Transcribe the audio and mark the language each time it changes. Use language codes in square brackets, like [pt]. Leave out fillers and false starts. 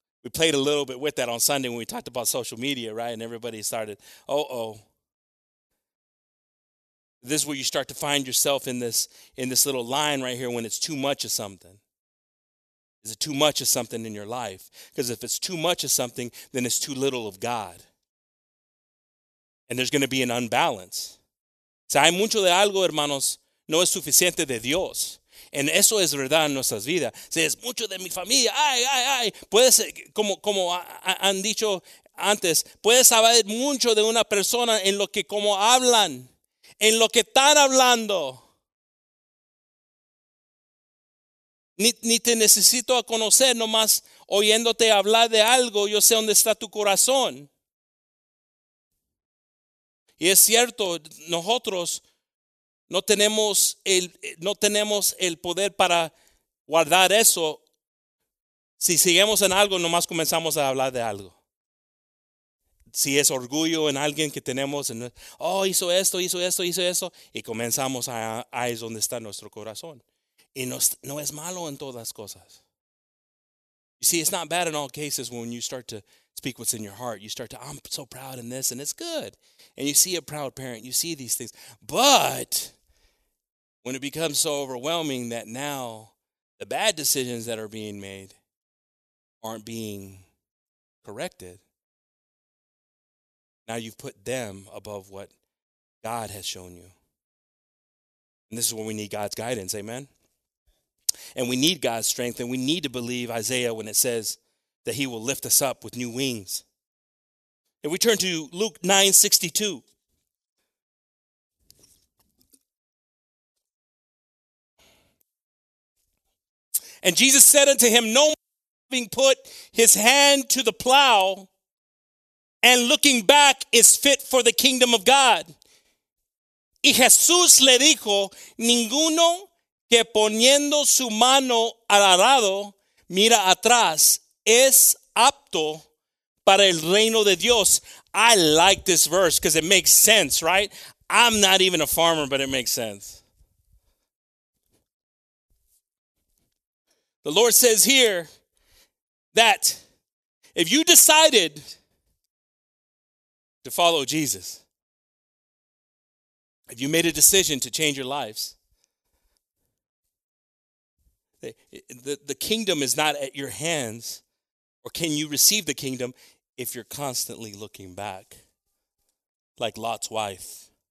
[en] We played a little bit with that on Sunday when we talked about social media, right? And everybody started, This is where you start to find yourself in this little line right here when it's too much of something. Is it too much of something in your life? Because if it's too much of something, then it's too little of God. And there's going to be an unbalance. [es] Si hay mucho de algo, hermanos, no es suficiente de Dios. En eso es verdad en nuestras vidas. Si es mucho de mi familia, ay, ay, ay. Puedes, como han dicho antes, puedes saber mucho de una persona en lo que como hablan, en lo que están hablando. Ni te necesito a conocer, nomás oyéndote hablar de algo, yo sé dónde está tu corazón. Y es cierto, nosotros no tenemos el poder para guardar eso. Si seguimos en algo, nomás comenzamos a hablar de algo. Si es orgullo en alguien que tenemos, hizo esto, y comenzamos ahí es donde está nuestro corazón. Y no es malo en todas cosas. [en] You see, it's not bad in all cases when you start to speak what's in your heart. You start to, I'm so proud in this, and it's good. And you see a proud parent, you see these things. But when it becomes so overwhelming that now the bad decisions that are being made aren't being corrected, now you've put them above what God has shown you. And this is when we need God's guidance, amen? And we need God's strength, and we need to believe Isaiah when it says that he will lift us up with new wings. If we turn to Luke 9:62, and Jesus said unto him, no man having put his hand to the plow and looking back is fit for the kingdom of God. [es] Y Jesús le dijo, ninguno que poniendo su mano al arado mira atrás es apto para el reino de Dios. [en] I like this verse because it makes sense, right? I'm not even a farmer, but it makes sense. The Lord says here that if you decided to follow Jesus, if you made a decision to change your lives, the kingdom is not at your hands, or can you receive the kingdom if you're constantly looking back, like Lot's wife.